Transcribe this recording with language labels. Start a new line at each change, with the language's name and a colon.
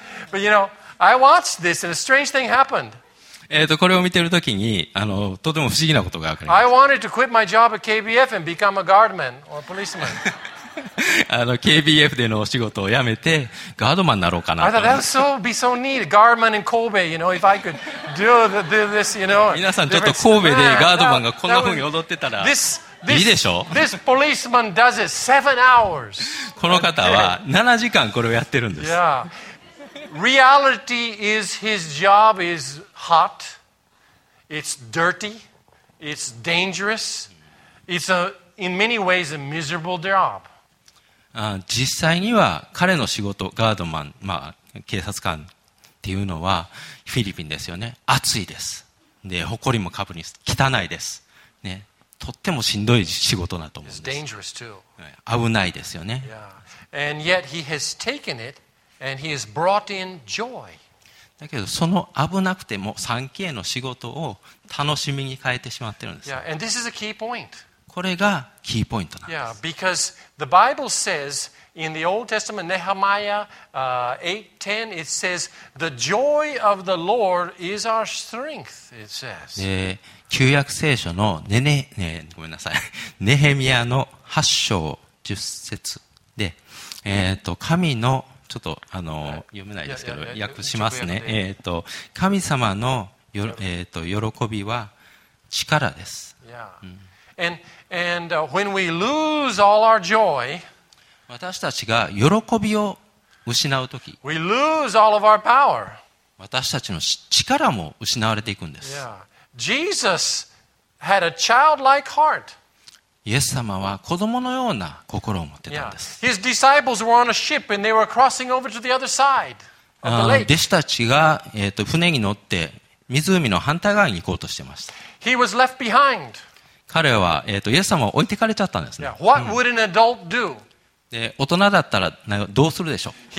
English: But you know, I watched this and a strange thing happened.
Japanese: これを見てるときに、あの、とても不思議なことが分かりました
English: 。I wanted to quit my job at KBF and become a guardman or a policeman.
Japanese: あの、KBF でのお仕事を辞めて、ガードマンになろうかなと。
English: I thought that would so, be so neat, guardman in Kobe, you know, if I could do, the, do this, you know.
Japanese: 皆さん、ちょっと神戸でガードマンがこんなふうに踊ってたら。いいでしょ?
English: This policeman does it 7 hours.
Japanese: この方は7時間これをやってるんです。
English: Yeah. Reality is his job is hot, it's dirty, it's dangerous, it's a, in many ways a miserable job.
Japanese: 実際には彼の仕事、ガードマン、まあ、警察官っていうのはフィリピンですよね。暑いです。で、埃もかぶり、汚いです、ね。とってもしんどい仕事だと思うんです。
English: It's dangerous too.
Japanese: 危ないですよね。
English: Yeah. And yet he has taken itAnd he has brought in joy.
Japanese: だけどその危なくても 3K の仕事を楽しみに変えてしまってるんです。
English: Yeah, and this is a key point.
Japanese: これがキーポイントなんです。
English: Yeah, because the Bible says in the Old Testament, Nehemiah 8:10, it says, "The joy of the Lord is our strength." It says.
Japanese: 旧約聖書のごめんなさい、ネヘミヤの8章10節で、神のちょっと読めないですけど訳しますね。神様の喜びは力です。
English: Yeah. And when we lose all our joy,
Japanese: 私たちが喜びを失うとき、
English: we lose all of our power.
Japanese: 私たちの力も失われていくんです。
English: Yeah. Jesus had a childlike heart.
Japanese: イエス様は子供のような心を持ってたんです。
English: Yeah. His disciples were on a ship and they were crossing over to the other side of the lake.
Japanese: 弟子たちが、船に乗って湖の反対側に行こうとしてました。
English: He was left behind.
Japanese: 彼は、イエス様を置いてかれちゃったんですね。
English: Yeah. What would an adult do?
Japanese: で大人だったらどうするでしょう。